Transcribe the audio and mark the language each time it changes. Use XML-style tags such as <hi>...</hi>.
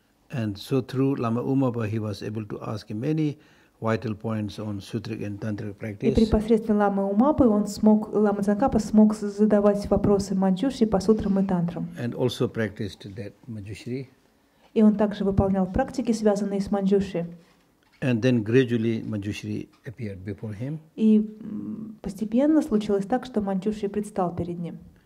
<en>And so through Lama Umapa, he was able to ask him many vital points on sutric and tantric practice.</en> <ru>И при посредстве Ламы Умапы Лама Цзангапа смог задавать вопросы Манджуши по сутрам и тантрам.</ru> <en>And also practiced that Manjushri.</en> <ru>И он также выполнял практики, связанные с Манджуши.</ru> <en>And then gradually Manjushri appeared before him.</en> <ru>И постепенно случилось так, что Манджуши предстал перед ним.</ru>